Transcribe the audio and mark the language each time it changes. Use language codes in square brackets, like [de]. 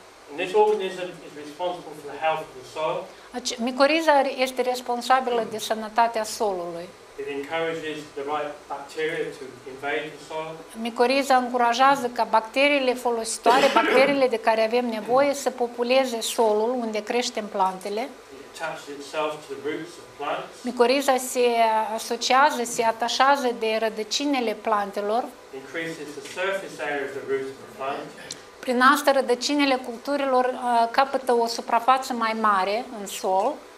[en] And this organism is responsible for the health of the soil. [ro] Micoriza este responsabilă de sănătatea solului. [en] It encourages the right bacteria to invade the soil. [ro] Micoriza încurajează ca bacteriile folositoare, bacteriile de care avem nevoie, să populeze solul unde creștem plantele. [en] It attaches itself to the roots of plants. [ro] Micoriza se asociază, se atașează de rădăcinile plantelor. [en] Increases the surface area of the roots of the plant. [ro] Prin asta, rădăcinile culturilor capătă o suprafață mai mare în sol.